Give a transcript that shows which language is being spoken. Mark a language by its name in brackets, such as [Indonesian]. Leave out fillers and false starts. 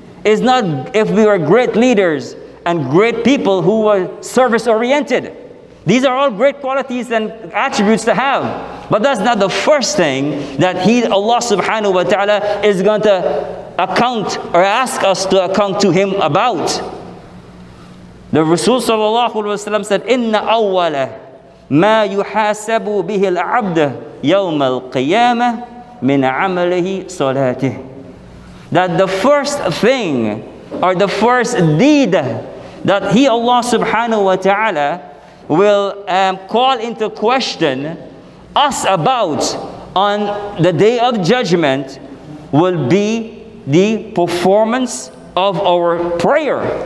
[English] It's not if we were great leaders and great people who were service-oriented. These are all great qualities and attributes to have. But that's not the first thing that Allah subhanahu wa ta'ala is going to account or ask us to account to Him about. The Rasul sallallahu alayhi wa sallam said, [Arabic] إِنَّ أَوَّلَ مَا يُحَاسَبُ بِهِ الْعَبْدَ يَوْمَ الْقِيَامَةِ مِنْ عَمَلِهِ صَلَاتِهِ. [English] That the first thing or the first deed that Allah subhanahu wa ta'ala will call into question us about on the day of judgment will be the performance of our prayer.